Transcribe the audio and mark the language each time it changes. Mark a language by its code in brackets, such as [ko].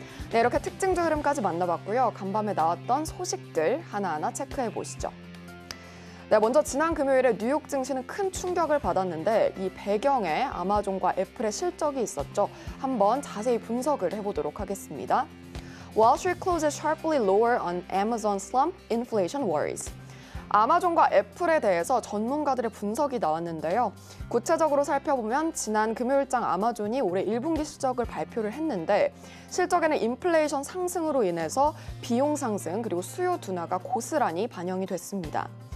[ko] 네, 이렇게 특징주 흐름까지 만나봤고요. 간밤에 나왔던 소식들 하나하나 체크해보시죠. 네, 먼저 지난 금요일에 뉴욕 증시는 큰 충격을 받았는데 이 배경에 아마존과 애플의 실적이 있었죠. 한번 자세히 분석을 해보도록 하겠습니다. [en] Wall Street closes sharply lower on Amazon slump, inflation worries. [ko] 아마존과 애플에 대해서 전문가들의 분석이 나왔는데요. 구체적으로 살펴보면 지난 금요일장 아마존이 올해 1분기 실적을 발표를 했는데 실적에는 인플레이션 상승으로 인해서 비용 상승 그리고 수요 둔화가 고스란히 반영이 됐습니다.